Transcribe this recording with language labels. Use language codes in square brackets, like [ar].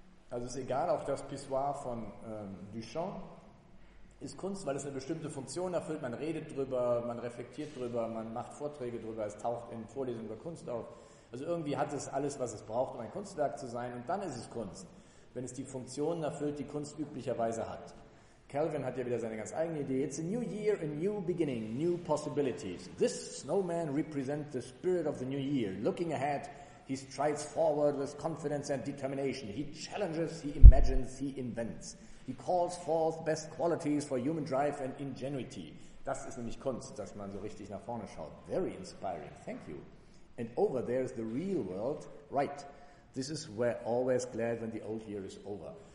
[de] Also ist egal, auch das Pissoir von Duchamp ist Kunst, weil es eine bestimmte Funktion erfüllt. Man redet drüber, man reflektiert drüber, man macht Vorträge drüber, es taucht in Vorlesungen über Kunst auf. Also irgendwie hat es alles, was es braucht, um ein Kunstwerk zu sein, und dann ist es Kunst, wenn es die Funktionen erfüllt, die Kunst üblicherweise hat. Calvin hat ja wieder seine ganz eigene Idee. [en] It's a new year, a new beginning, new possibilities. This snowman represents the spirit of the new year. Looking ahead, he strides forward with confidence and determination. He challenges, he imagines, he invents. He calls forth best qualities for human drive and ingenuity. [de] Das ist nämlich Kunst, dass man so richtig nach vorne schaut. [en] Very inspiring, thank you. And over there is the real world, right. This is where always glad when the old year is over.